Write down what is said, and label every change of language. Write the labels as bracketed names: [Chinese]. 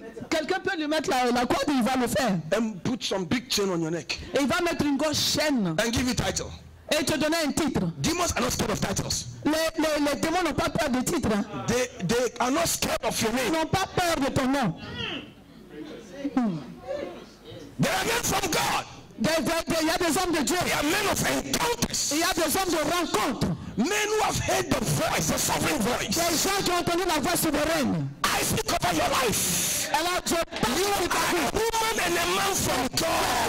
[French] Quelqu'un peut lui mettre la corde et il va le faire. [English] And put some big chain on your neck. [French] Et il va mettre une grosse chaîne. [English] And give you title. [French] Et te donner un titre. [English] Demons are not scared of titles. [French] Les démons n'ont pas peur de titre. [English] They are not scared of your name. [French] Ils n'ont pas peur de ton nom. [English] They are men from God. [French] Il y a des hommes de Dieu. [English] They are men of encounters. [French] Il y a des hommes de rencontres. [English] Men who have heard the voice, the sovereign voice. [French] Des gens qui ont entendu la voix souveraine. [English] I speak over your life. [French] Alors, [English] you are a woman and a man from God.